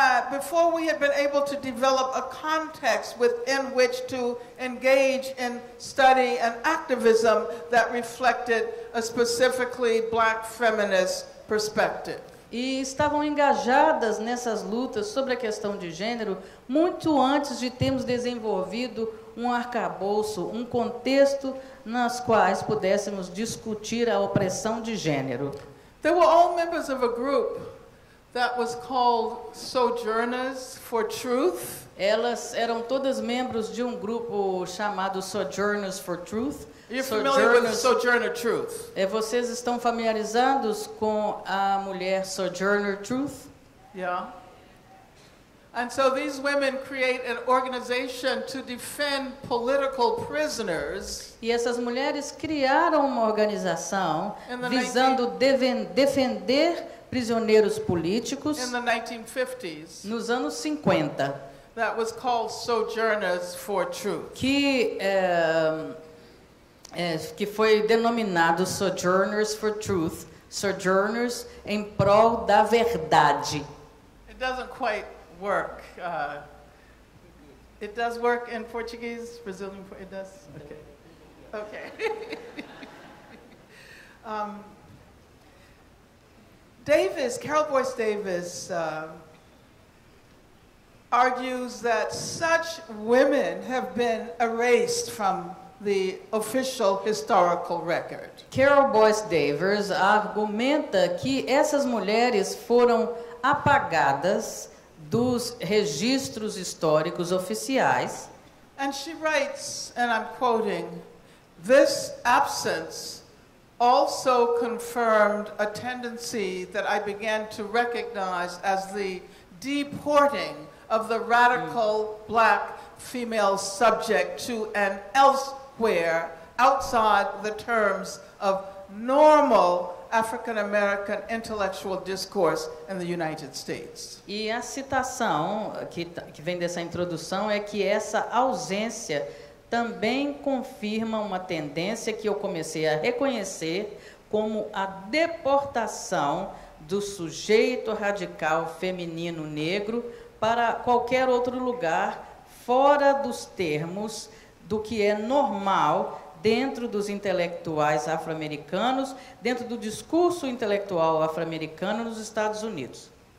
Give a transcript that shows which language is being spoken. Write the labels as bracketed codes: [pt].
[en] Before we had been able to develop a context within which to engage in study and activism that reflected a specifically black feminist perspective. [pt] E estavam engajadas nessas lutas sobre a questão de gênero muito antes de termos desenvolvido um arcabouço, um contexto nas quais pudéssemos discutir a opressão de gênero. [en] They were all members of a group that was called Sojourners for Truth. [pt] Elas eram todas membros de grupo chamado Sojourners for Truth. [en] You're familiar with Sojourner Truth? [pt] Vocês estão familiarizados com a mulher Sojourner Truth? [en] Yeah. And so these women create an organization to defend political prisoners. [pt] E essas mulheres criaram uma organização visando defender prisioneiros políticos [en] in the 1950s, [pt] nos anos 50. [en] That was called Sojourners for Truth. [pt] Que foi denominado Sojourners for Truth, Sojourners em prol da verdade. [en] It doesn't quite work. It does work in Portuguese, Brazilian, it does? Okay. Davis, Carol Boyce Davis, argues that such women have been erased from the official historical record. [pt] Carol Boyce Davis argumenta que essas mulheres foram apagadas dos registros históricos oficiais. [en] And she writes, and I'm quoting, "This absence also confirmed a tendency that I began to recognize as the deporting of the radical black female subject to an elsewhere outside the terms of normal African American intellectual discourse in the United States." [pt] E a citação que vem dessa introdução é que essa ausência também confirma uma tendência que eu comecei a reconhecer como a deportação do sujeito radical feminino negro para qualquer outro lugar fora dos termos do que é normal dentro dos intelectuais afro-americanos, dentro do discurso intelectual afro-americano nos Estados Unidos.